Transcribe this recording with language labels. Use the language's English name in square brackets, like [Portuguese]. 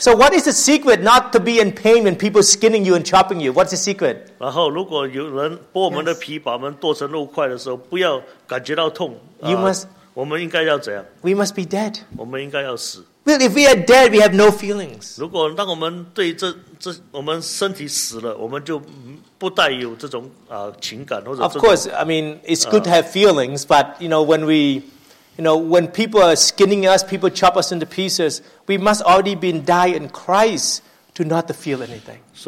[English] So what is the secret not to be in pain when people skinning you and chopping you? What's the secret? [Chinese] 然后如果有人剥我们的皮，把我们剁成肉块的时候， 不要感觉到痛。我们应该要怎样? [English] We must be dead. [Chinese] 我们应该要死。 [English] Well, if we are dead, we have no feelings. [Chinese] 如果当我们对这我们身体死了，我们就不带有这种情感或者这种。 [English] Of course, I mean, it's good to have feelings, but you know, when we, you know, when people are skinning us, people chop us into pieces, we must already be died in Christ to not to feel anything.